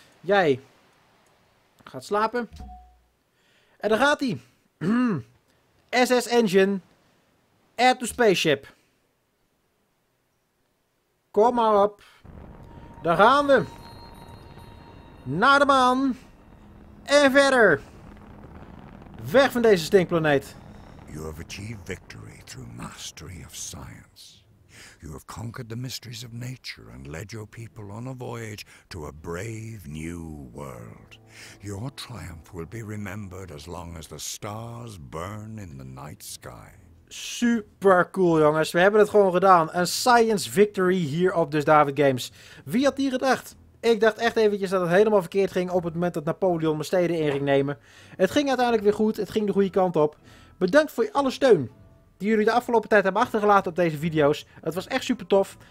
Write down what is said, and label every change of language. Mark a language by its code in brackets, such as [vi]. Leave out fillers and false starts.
[nl] Jij gaat slapen. En daar gaat hij. SS Engine. [en] Air to Spaceship. [nl] Kom maar op. Daar gaan we. Naar de maan. En verder. Weg van deze stinkplaneet. [en] You have achieved victory through mastery of science. You have conquered the mysteries of nature and led your people on a voyage to a brave new world. Your triumph will be remembered as long as the stars burn in the night sky. [nl] Super cool, jongens. We hebben het gewoon gedaan. Een science victory hier op dus David Games. Wie had die gedacht? Ik dacht echt eventjes dat het helemaal verkeerd ging op het moment dat Napoleon mijn steden in ging nemen. Het ging uiteindelijk weer goed. Het ging de goede kant op. Bedankt voor alle steun die jullie de afgelopen tijd hebben achtergelaten op deze video's. Het was echt super tof.